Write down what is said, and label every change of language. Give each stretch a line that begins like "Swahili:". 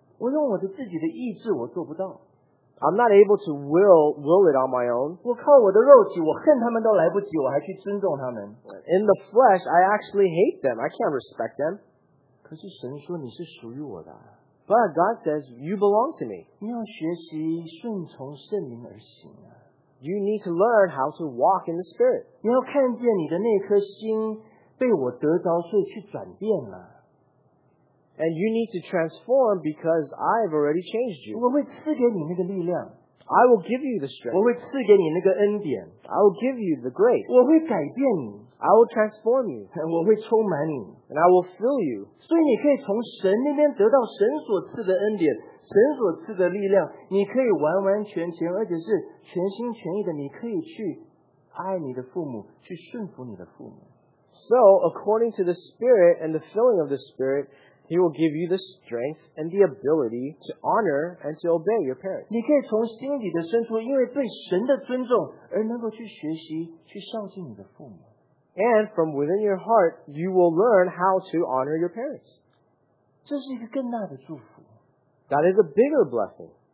Chinese: 我用我的自己的意志, 我做不到,
English: I'm not able to will it on my own.
Chinese: 我靠我的肉体, 我恨他们都来不及, 我还去尊重他们,
English: in the flesh, I actually hate them, I can't respect them.
Chinese: 可是神说你是属于我的,
English: but God says you belong to me.
Chinese: 你要学习顺从圣灵而行,
English: you need to learn how to walk in the Spirit.
Chinese: 你要看见你的那颗心被我得着所以去转变了。And
English: you need to transform because I've already changed you.
Chinese: 我会赐给你那个力量,
English: I will give you the strength.
Chinese: 我会赐给你那个恩典,
English: I will give you the grace.
Chinese: 我会改变你,
English: I will transform you.
Chinese: 我会充满你,
English: and I will fill you.
Chinese: 所以你可以从神那边得到神所赐的恩典, 神所赐的力量, 你可以完完全全, 而且是全心全意的, 你可以去爱你的父母, 去顺服你的父母。
English: So, according to the Spirit and the filling of the Spirit, He will give you the strength and the ability to honor and to obey your parents.
Chinese: 你可以从心底的深处, 因为对神的尊重, 而能够去学习去孝敬你的父母。
English: And from within your heart, you will learn how to honor your parents.
Chinese: 这是一个更大的祝福。
English: That is a bigger blessing.